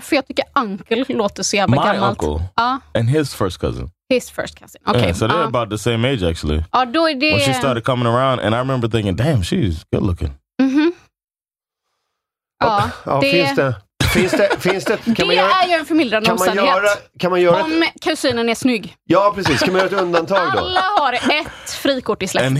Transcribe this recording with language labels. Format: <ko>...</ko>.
<sv>För jag tycker uncle låter så jävla gammalt.</sv> <en>My uncle. And his first cousin. His first cousin. Okay. Yeah, so they're about the same age, actually.</en> <sv>Ja, då är det...</sv> <en>When she started coming around, and I remember thinking, damn, she's good looking. Mm-hmm.</en> <sv>Finns det, är ju en förmildrande omständighet. Kan man göra kusinen är snygg. Ja, precis. Kan man göra ett undantag då? Alla har ett frikort i släkten.</sv>